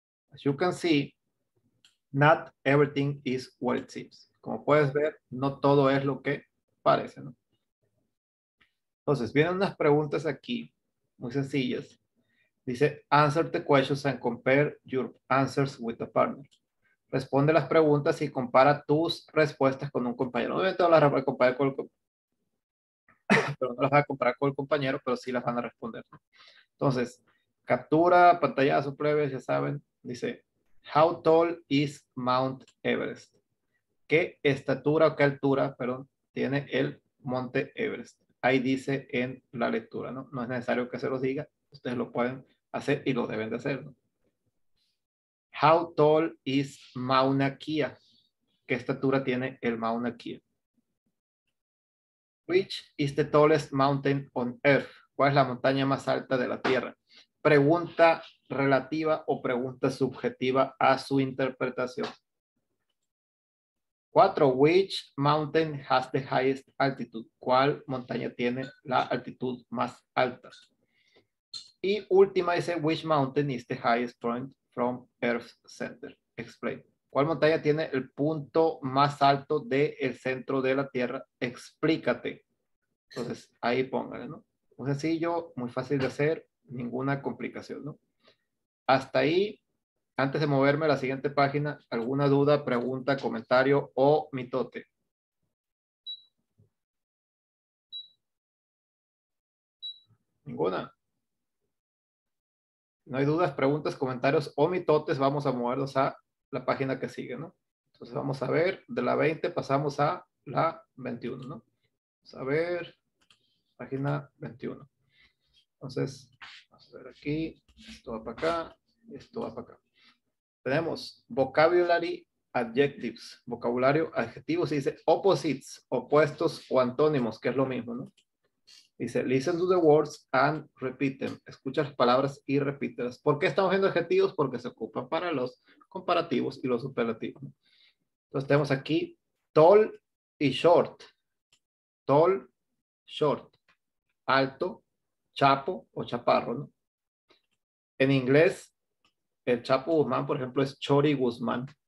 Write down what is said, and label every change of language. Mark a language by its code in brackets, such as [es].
[en] As you can see, not everything is what it seems. [es] Como puedes ver, no todo es lo que parece, ¿no? Entonces, vienen unas preguntas aquí, muy sencillas. Dice, [en] answer the questions and compare your answers with a partner. [es] Responde las preguntas y compara tus respuestas con un compañero. Obviamente no las vas a comparar con el compañero, pero sí las van a responder. Entonces, captura, pantallazo, plebes, ya saben. Dice, [en] how tall is Mount Everest? [es] ¿Qué estatura o qué altura, perdón, tiene el Monte Everest? Ahí dice en la lectura, ¿no? No es necesario que se los diga. Ustedes lo pueden hacer y lo deben de hacer, ¿no? [en] How tall is Mauna Kea? [es] ¿Qué estatura tiene el Mauna Kea? [en] Which is the tallest mountain on earth? [es] ¿Cuál es la montaña más alta de la Tierra? Pregunta relativa o pregunta subjetiva a su interpretación. [en] 4. Which mountain has the highest altitude? [es] ¿Cuál montaña tiene la altitud más alta? Y última dice, [en] which mountain is the highest point from Earth's center? Explain. [es] ¿Cuál montaña tiene el punto más alto del centro de la Tierra? Explícate. Entonces, ahí póngale, ¿no? Muy sencillo, muy fácil de hacer, ninguna complicación, ¿no? Hasta ahí, antes de moverme a la siguiente página, ¿alguna duda, pregunta, comentario o mitote? ¿Ninguna? No hay dudas, preguntas, comentarios o mitotes, vamos a movernos a la página que sigue, ¿no? Entonces vamos a ver, de la 20 pasamos a la 21, ¿no? Vamos a ver, página 21. Entonces, vamos a ver aquí, esto va para acá. Esto va para acá. Tenemos [en] vocabulary adjectives, [es] vocabulario adjetivos, y dice opposites, opuestos o antónimos, que es lo mismo, ¿no? Dice, [en] listen to the words and repeat them. [es] Escucha las palabras y repítelas. ¿Por qué estamos viendo adjetivos? Porque se ocupan para los comparativos y los superlativos. Entonces tenemos aquí, tall y short. Tall, short. Alto, chapo o chaparro, ¿no? En inglés, el Chapo Guzmán, por ejemplo, es Chori Guzmán.